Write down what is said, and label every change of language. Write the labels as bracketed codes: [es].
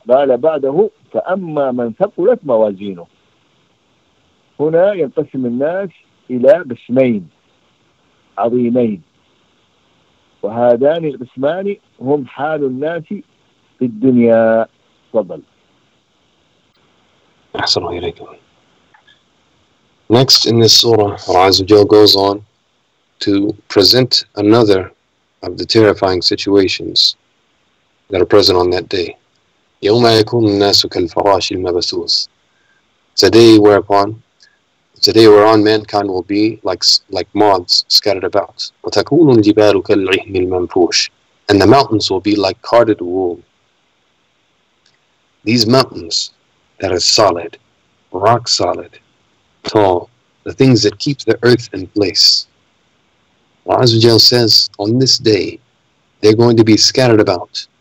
[ar] قال بعده: فأما من ثقلت موازينه. هنا ينقسم الناس إلى قسمين عظيمين، وهذان القسمان هم حال الناس في الدنيا. تفضل. أحسن إليكم. [en] Next in this surah, Allah Azza wa Jalla goes on to present another of the terrifying situations that are present on that day. [ar] يوم يكون الناس كالفراش المبثوث. [en] The day whereon mankind will be like moths scattered about. [ar] وتكون الجبال كالعهن المنفوش. [en] And the mountains will be like carded wool. These mountains that are solid, rock solid, tall, the things that keep the earth in place. Allah Azza wa Jalla says, on this day, they're going to be scattered about.